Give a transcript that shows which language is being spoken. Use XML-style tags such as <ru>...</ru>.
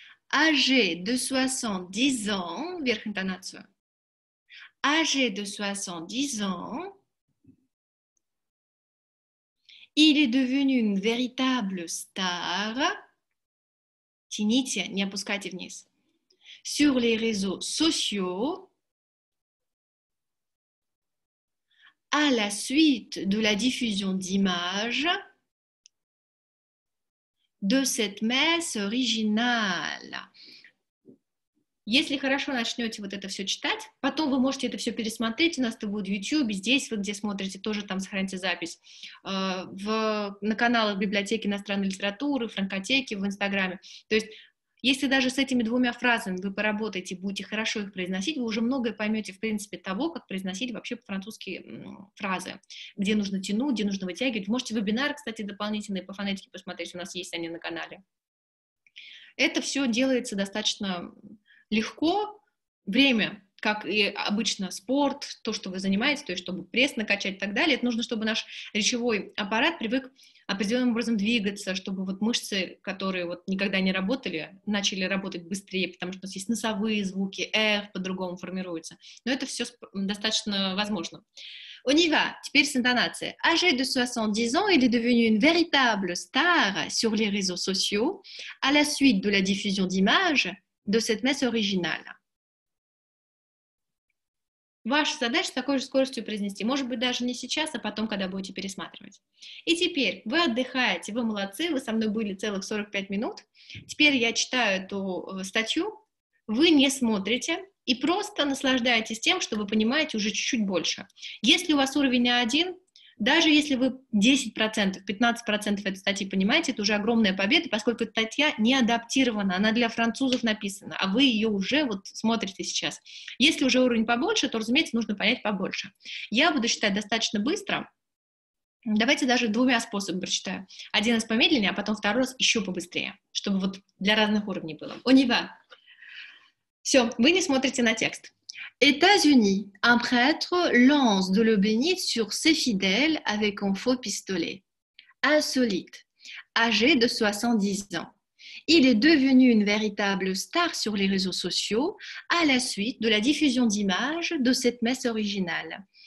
<fr>Âgé de 70 ans,</fr> <ru>верх интонацию.</ru> <fr>Âgé de 70 ans. Il est devenu une véritable star.</fr> <ru>Тяните, не опускайте вниз.</ru> <fr>Sur les réseaux sociaux. À la suite de la diffusion d'images de cette messe originale.</fr> <ru>Если хорошо начнете вот это все читать, потом вы можете это все пересмотреть. У нас это будет в YouTube, здесь вы где смотрите, тоже там сохраните запись. На каналах библиотеки иностранной литературы, франкотеки, в Инстаграме. То есть, если даже с этими двумя фразами вы поработаете, будете хорошо их произносить, вы уже многое поймете, в принципе, того, как произносить вообще французские фразы. Где нужно тянуть, где нужно вытягивать. Вы можете вебинар, кстати, дополнительный по фонетике посмотреть. У нас есть они на канале. Это все делается достаточно легко, время как и обычно спорт, то, что вы занимаетесь, то есть чтобы пресс накачать и так далее, это нужно, чтобы наш речевой аппарат привык определенным образом двигаться, чтобы вот мышцы, которые вот никогда не работали, начали работать быстрее, потому что у нас есть носовые звуки, «эх» по-другому формируются. Но это все достаточно возможно.</ru> <fr>On y va,</fr> <ru>теперь с интонацией.</ru> <fr>Âgé de 70 ans, il est devenu une véritable star sur les réseaux sociaux à la suite de la diffusion d'images de cette messe originale.</fr> <ru>Ваша задача с такой же скоростью произнести. Может быть, даже не сейчас, а потом, когда будете пересматривать. И теперь вы отдыхаете, вы молодцы, вы со мной были целых 45 минут. Теперь я читаю эту статью, вы не смотрите и просто наслаждаетесь тем, что вы понимаете уже чуть-чуть больше. Если у вас уровень А1, даже если вы 10%, 15% этой статьи понимаете, это уже огромная победа, поскольку статья не адаптирована, она для французов написана, а вы ее уже вот смотрите сейчас. Если уже уровень побольше, то, разумеется, нужно понять побольше. Я буду считать достаточно быстро. Давайте даже двумя способами прочитаю. Один раз помедленнее, а потом второй раз еще побыстрее, чтобы вот для разных уровней было.</ru> <fr>On y va.</fr> <ru>Все, вы не смотрите на текст.</ru> <fr>États-Unis, un prêtre lance de l'eau bénite sur ses fidèles avec un faux pistolet. Insolite, âgé de 70 ans. Il est devenu une véritable star sur les réseaux sociaux à la suite de la diffusion d'images de cette messe originale.</fr>